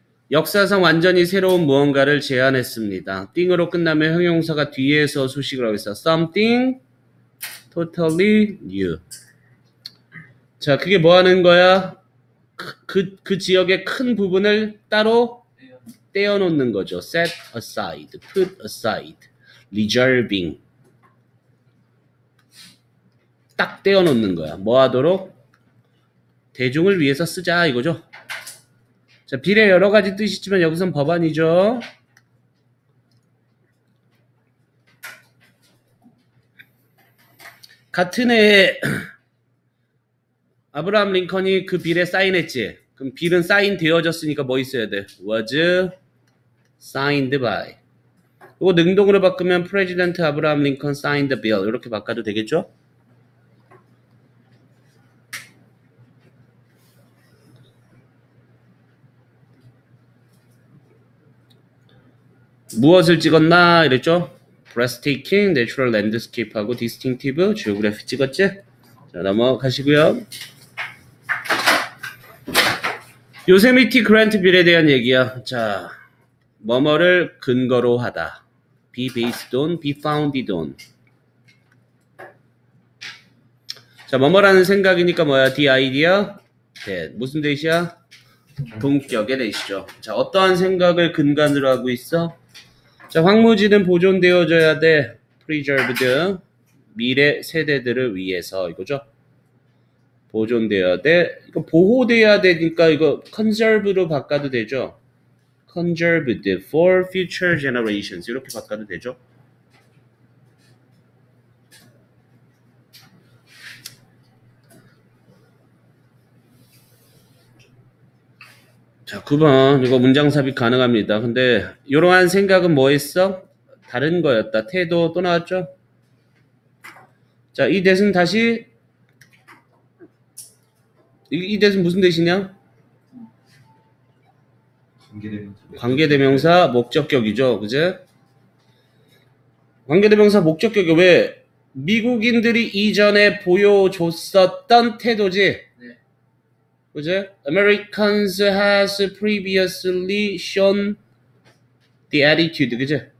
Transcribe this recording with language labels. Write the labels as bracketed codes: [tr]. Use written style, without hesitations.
[ko] 역사상 완전히 새로운 무언가를 제안했습니다. 띵으로 끝나면 형용사가 뒤에서 수식을 하고 있어. [en] something totally new. [ko] 자, 그게 뭐 하는 거야? 그 지역의 큰 부분을 따로 떼어놓는 거죠. [en] set aside, put aside, reserving. [ko] 딱 떼어놓는 거야. 뭐 하도록? 대중을 위해서 쓰자, 이거죠. 자, 비례 여러 가지 뜻이 있지만 여기선 법안이죠. 같은 해에 아브라함 링컨이 그 비례 사인했지. 그럼 빌은 사인 되어졌으니까 뭐 있어야 돼? [en] was signed by. [ko] 이거 능동으로 바꾸면 [en] President Abraham Lincoln signed the bill. [ko] 이렇게 바꿔도 되겠죠? 무엇을 찍었나? 이랬죠? [en] breathtaking, natural landscape하고 distinctive, geography 찍었지? [ko] 자, 넘어가시고요. 요세미티 그랜트 빌에 대한 얘기야. 자, 뭐뭐를 근거로 하다. [en] be based on, be founded on. [ko] 자, 뭐뭐라는 생각이니까 뭐야? [en] the idea? that. [ko] 무슨 대시야? 동격의 대시죠. 자, 어떠한 생각을 근간으로 하고 있어? 자, 황무지는 보존되어져야 돼. preserved. 미래 세대들을 위해서. 이거죠? 보존되어야 돼. 이거 보호되어야 되니까 이거 conserve로 바꿔도 되죠. [en] conserved for future generations. [ko] 이렇게 바꿔도 되죠. 자, 9번. 이거 문장 삽입 가능합니다. 근데 이러한 생각은 뭐 했어? 다른 거였다. 태도 또 나왔죠? 자, 이 대신 다시 이 대신 무슨 대신이야? 관계대명사 목적격이죠, 그제? 관계대명사 목적격이 왜 미국인들이 이전에 보여줬었던 태도지? 그제? [en] Americans has previously shown the attitude, 그제?